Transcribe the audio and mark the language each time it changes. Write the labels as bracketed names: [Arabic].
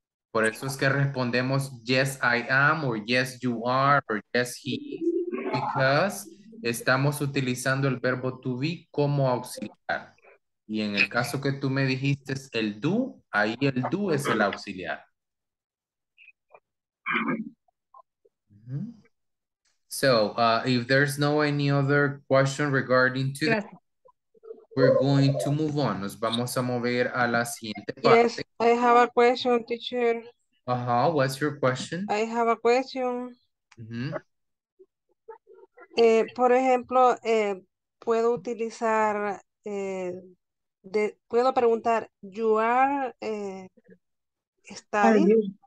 [Spanish] Por eso es que respondemos [English] yes, I am, or yes, you are, or yes, he is, [Spanish] because estamos utilizando el verbo to be como auxiliar. Y en el caso que tú me dijiste es el do, ahí el do es el auxiliar. [English] So, if there's no any other question regarding to that, we're going to move on. [Spanish] Nos vamos a mover a la siguiente parte. [English] Yes, I have a question, teacher. Uh-huh, what's your question? I have a question. Mm-hmm. [Spanish] Por ejemplo, puedo utilizar, puedo preguntar, [English] you are studying?